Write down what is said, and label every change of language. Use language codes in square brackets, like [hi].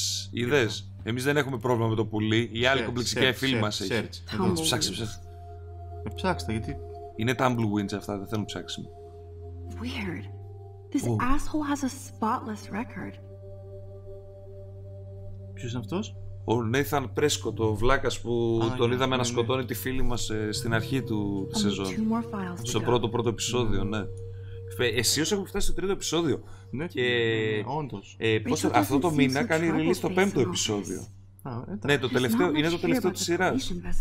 [el] Είδες, εμείς δεν έχουμε πρόβλημα με το πουλί. Η άλλη κομπλεξική φίλη μας έχει. Ψάξε, ψάξε. Ψάξτε, γιατί. Είναι Tumbleweeds αυτά, δεν θέλουν ψάξιμο. [en] Weird. This asshole has a spotless record. [el] Ποιος είναι αυτός? Ο Nathan Prescott, ο βλάκας που τον είδαμε να σκοτώνει τη φίλη μας στην αρχή του σεζόν. Στο πρώτο επεισόδιο, ναι. Εσύ όσο έχουμε φτάσει στο τρίτο επεισόδιο. Ναι, όντως. Πώς, αυτό το μήνα κάνει release το πέμπτο επεισόδιο. Ναι, το τελευταίο, είναι το τελευταίο της σειράς.